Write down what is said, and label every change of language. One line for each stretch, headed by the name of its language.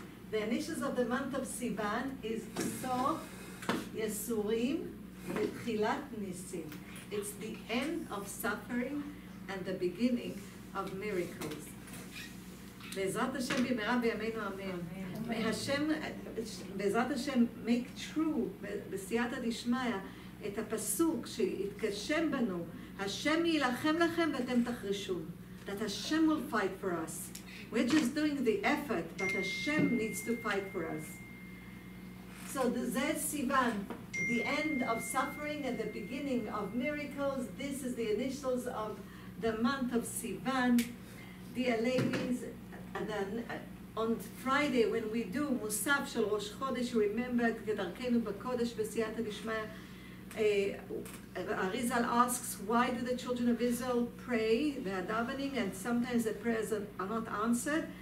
English: The initials of the month of Sivan is Sof Yesurim V'Tchilat Nisim. It's the end of suffering and the beginning of miracles.
Hebrew: בעזרת השם במהרה בימינו אמן. מהשם, בעזרת השם,
English: make true,
Hebrew: בסייעתא דשמיא, את הפסוק שהתגשם בנו, השם יילחם לכם ואתם תחרישו.
English: That Hashem will fight for us. We're just doing the effort, but Hashem needs to fight for us. So
Hebrew: זה סיוון,
English: the end of suffering and the beginning of miracles. This is the initials of the month of סיוון. Dear ladies, and then on Friday when we do Musaf Shel Rosh Chodesh, remember Kedarkenu Bekodesh Besiyata Dishmaya, Arizal asks, why do the children of Israel pray, they are davening, and sometimes the prayers are not answered?